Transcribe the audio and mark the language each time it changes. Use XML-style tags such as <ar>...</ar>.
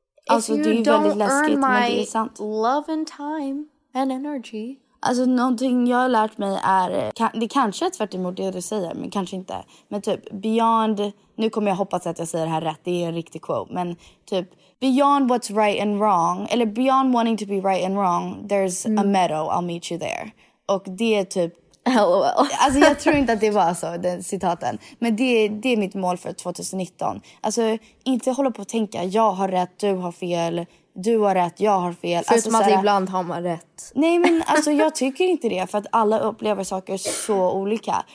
<sv>Alltså, det är ju väldigt läskigt, men det är sant.</sv> <en>Love and time and energy.</en> <sv>Alltså, någonting jag har lärt mig är... Det kanske är tvärt emot det du säger, men kanske inte. Men typ, beyond... Nu kommer jag hoppas att jag säger det här rätt, det är en riktig quote, men typ...</sv> <en>Beyond what's right and wrong,</en> <sv>eller</sv> <en>beyond wanting to be right and wrong, there's a meadow, I'll meet you there.</en> <sv>Och det är typ... LOL. Alltså jag tror inte att det var så, den citaten. Men det är mitt mål för 2019. Alltså inte hålla på att tänka, jag har rätt, du har fel, du har rätt, jag har fel. Förutom alltså, att såhär, ibland har man rätt. Nej men alltså jag tycker inte det, för att alla upplever saker så olika.</sv>